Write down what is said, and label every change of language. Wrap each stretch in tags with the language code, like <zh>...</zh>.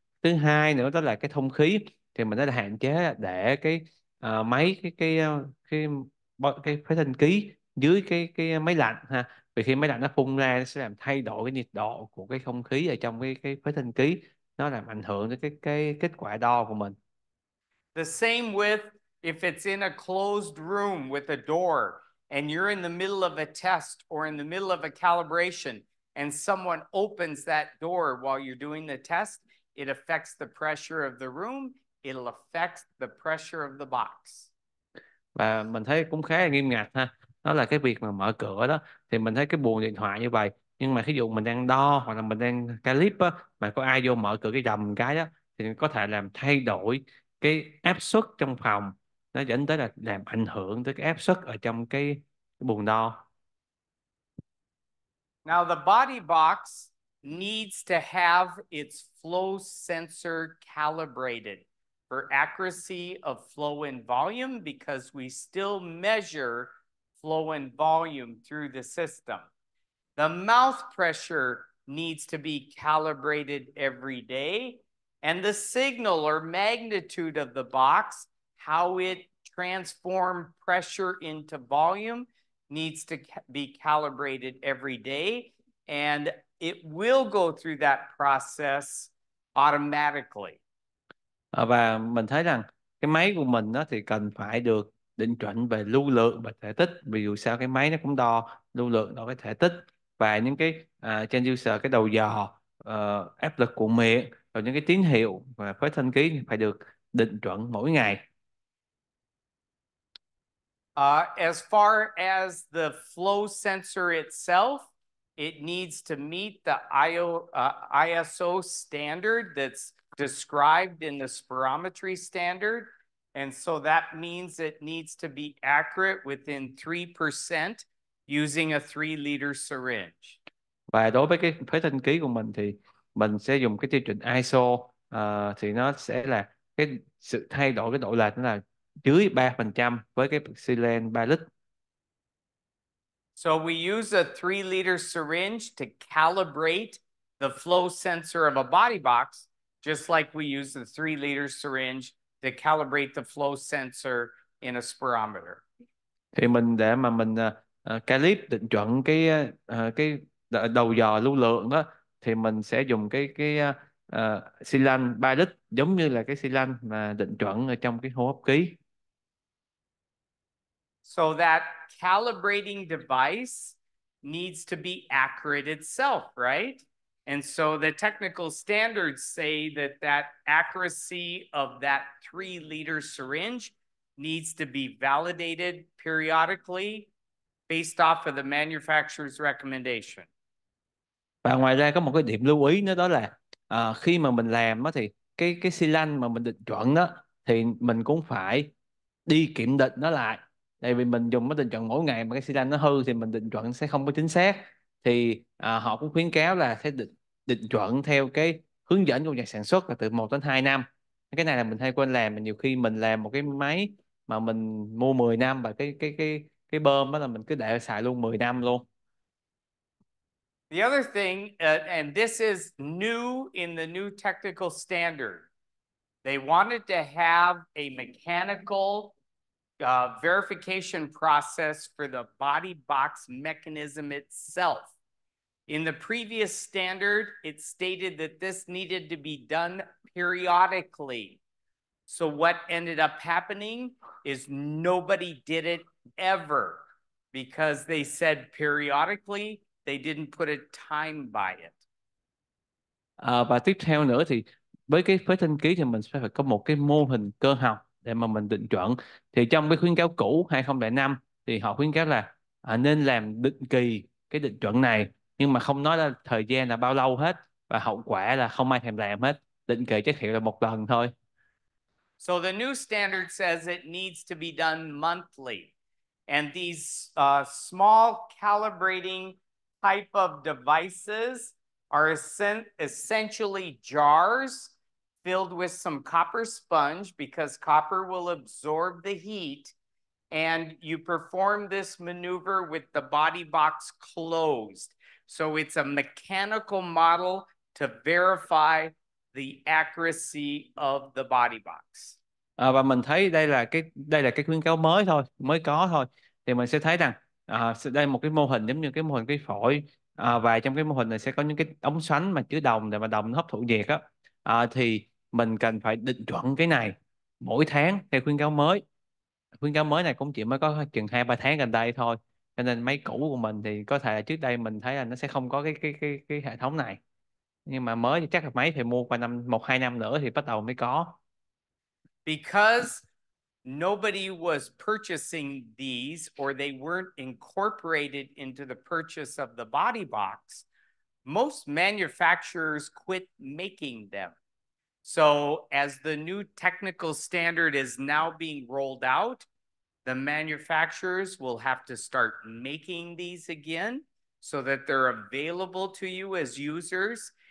<vi>Thứ hai nữa đó là cái thông khí, thì mình đã hạn chế để cái máy cái phế sinh khí dưới cái máy lạnh ha. Vì khi máy lạnh nó phun ra nó sẽ làm thay đổi cái nhiệt độ của cái không khí ở trong cái phế sinh khí, nó làm ảnh hưởng đến cái kết quả đo của mình.</vi> <en>The same with if it's in a closed room with a door and you're in the middle of a test or in the middle of a calibration and someone opens that door while you're doing the test, it affects the pressure of the room, it'll affect the pressure of the box.</en> <vi>Và mình thấy cũng khá là nghiêm ngặt ha. Đó là cái việc mà mở cửa đó, thì mình thấy cái buồng điện thoại như vậy, nhưng mà ví dụ mình đang đo hoặc là mình đang calip á, mà có ai vô mở cửa cái rầm cái á, thì có thể làm thay đổi cái áp suất trong phòng, nó dẫn tới là làm ảnh hưởng tới cái áp suất ở trong cái buồng đo.</vi> <en>Now the body box needs to have its flow sensor calibrated for accuracy of flow and volume, because we still measure flow and volume through the system. The mouth pressure needs to be calibrated every day, and the signal or magnitude of the box, how it transform pressure into volume, needs to be calibrated every day, and it will go through that process automatically.</en> <vi>Và mình thấy rằng cái máy của mình đó thì cần phải được định chuẩn về lưu lượng và thể tích, vì dù sao cái máy nó cũng đo lưu lượng, đo cái thể tích và những cái transducer, cái đầu dò, áp lực của miệng, rồi những cái tín hiệu và phế thanh khí phải được định chuẩn mỗi ngày.</vi> <en>As far as the flow sensor itself, it needs to meet the ISO standard that's described in the spirometry standard. And so that means it needs to be accurate within 3% using a 3-liter syringe.</en> <vi>Và đối với cái phế thanh khí của mình thì mình sẽ dùng cái tiêu chuẩn ISO, thì nó sẽ là cái sự thay đổi cái độ lệch là dưới 3% với cái xylen 3 lít.</vi> <en>So we use a 3-liter syringe to calibrate the flow sensor of a body box, just like we use the 3-liter syringe to calibrate the flow sensor in a spirometer.</en> <vi>Thì mình để mà mình calip định chuẩn cái đầu dò lưu lượng đó, thì mình sẽ dùng cái xylen 3 lít giống như là cái xylen mà định chuẩn ở trong cái hô hấp khí.</vi> <en>So that calibrating device needs to be accurate itself, right? And so the technical standards say that that accuracy of that 3-liter syringe needs to be validated periodically based off of the manufacturer's recommendation.</en> <vi>Và ngoài ra có một cái điểm lưu ý nữa, đó là khi mà mình làm đó, thì cái xylen mà mình định chuẩn đó, thì mình cũng phải đi kiểm định nó lại. Tại vì mình dùng cái định chuẩn mỗi ngày mà cái xylen nó hư thì mình định chuẩn sẽ không có chính xác. Thì họ cũng khuyến cáo là sẽ định chuẩn theo cái hướng dẫn của nhà sản xuất là từ 1 đến 2 năm. Cái này là mình hay quên làm, mà nhiều khi mình làm một cái máy mà mình mua 10 năm và cái bơm đó là mình cứ để xài luôn 10 năm luôn.</vi> <en>The other thing, and this is new in the new technical standard, they wanted to have a mechanical verification process for the body box mechanism itself. In the previous standard, it stated that this needed to be done periodically. So what ended up happening is nobody did it ever, because they said periodically, they didn't put a time by it.</en> <vi>Và tiếp theo nữa thì với cái phế thanh khí thì mình sẽ phải có một cái mô hình cơ học để mà mình định chuẩn. Thì trong cái khuyến cáo cũ 2005 thì họ khuyến cáo là nên làm định kỳ cái định chuẩn này, nhưng mà không nói là thời gian là bao lâu hết, và hậu quả là không ai thèm làm hết, định kỳ giới thiệu là một lần thôi.</vi> <en>So the new standard says it needs to be done monthly, and these small calibrating type of devices are essentially jars filled with some copper sponge, because copper will absorb the heat, and you perform this maneuver with the body box closed. So it's a mechanical model to verify the accuracy of the body box.</en> <vi>À, và mình thấy đây là cái khuyến cáo mới thôi, mới có thôi. Thì mình sẽ thấy rằng đây một cái mô hình giống như cái mô hình cái phổi, và trong cái mô hình này sẽ có những cái ống xoắn mà chứa đồng để mà đồng hấp thụ nhiệt á. Thì mình cần phải định chuẩn cái này mỗi tháng theo khuyến cáo mới. Khuyến cáo mới này cũng chỉ mới có chừng 2-3 tháng gần đây thôi. Cho nên máy cũ của mình thì có thể là trước đây mình thấy là nó sẽ không có cái hệ thống này. Nhưng mà mới thì chắc là máy phải mua qua năm 1-2 năm nữa thì bắt đầu mới có.</vi> <en>Because nobody was purchasing these, or they weren't incorporated into the purchase of the body box, most manufacturers quit making them. So as the new technical standard is now being rolled out, the manufacturers will have to start making these again so that they're available to you as users.</en>